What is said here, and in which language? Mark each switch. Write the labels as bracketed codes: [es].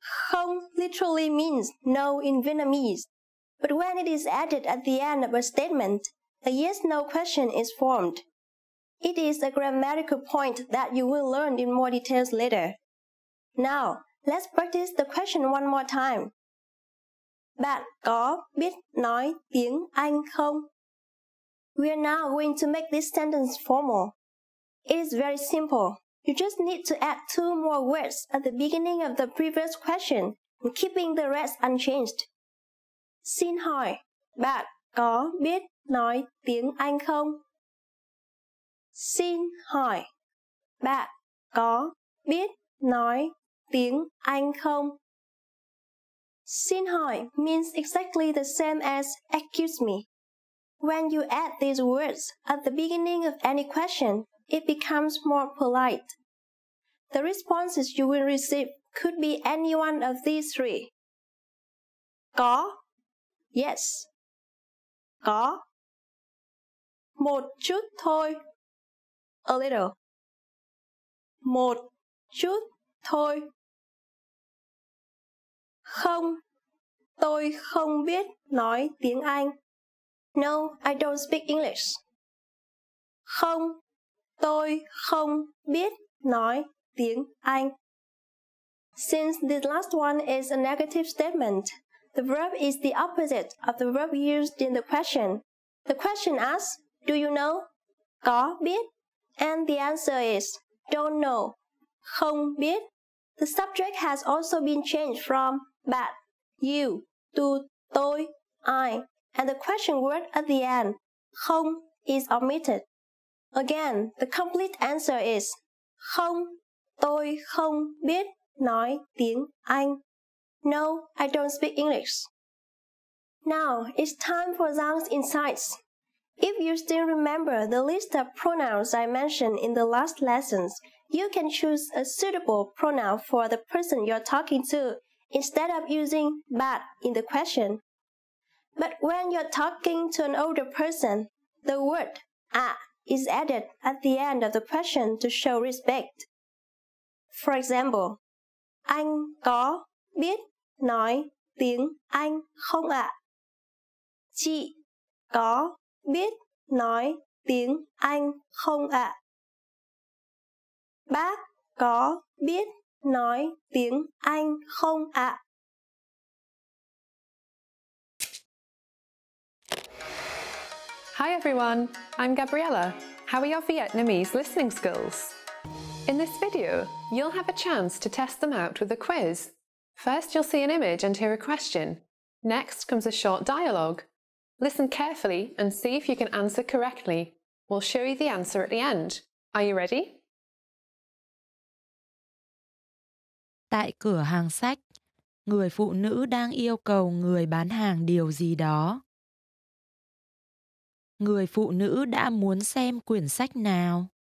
[en] Không literally means no in Vietnamese, but when it is added at the end of a statement, a yes-no question is formed. It is a grammatical point that you will learn in more details later. Now, let's practice the question one more time. [vi] Bạn có biết nói tiếng Anh không? [en] We are now going to make this sentence formal. It is very simple. You just need to add two more words at the beginning of the previous question, keeping the rest unchanged. [vi] Xin hỏi, bạn có biết nói tiếng Anh không? Xin hỏi, bạn có biết nói tiếng Anh không? [en] Xin hỏi means exactly the same as excuse me. When you add these words at the beginning of any question, it becomes more polite. The responses you will receive could be any one of these three. [vi] Có, [en] yes. [vi] Có, một chút thôi, [en] a little. [vi] Một chút thôi. Không, tôi không biết nói tiếng Anh. [en] No, I don't speak English. [vi] Không, tôi không biết nói tiếng Anh. [en] Since this last one is a negative statement, the verb is the opposite of the verb used in the question. The question asks, do you know? Có biết? And the answer is, don't know, [vi] không biết. [en] The subject has also been changed from bạn, you, to tôi, I, and the question word at the end, không, is omitted. Again, the complete answer is [vi] không, tôi không biết nói tiếng Anh. [en] No, I don't speak English. Now, it's time for Zhang's insights. If you still remember the list of pronouns I mentioned in the last lessons, you can choose a suitable pronoun for the person you're talking to instead of using bạn in the question. But when you're talking to an older person, the word à is added at the end of the question to show respect. For example, [vi] anh có biết nói tiếng Anh không ạ? Chị có biết nói tiếng Anh không ạ? Bác có biết nói tiếng Anh không ạ? [en] Hi everyone, I'm Gabriella. How are your Vietnamese listening skills? In this video, you'll have a chance to test them out with a quiz. First, you'll see an image and hear a question. Next comes a short dialogue. Listen carefully and see if you can answer correctly. We'll show you the answer at the end. Are you ready? [vi] Tại cửa hàng sách, người phụ nữ đang yêu cầu người bán hàng điều gì đó. Người phụ nữ đã muốn xem quyển sách nào?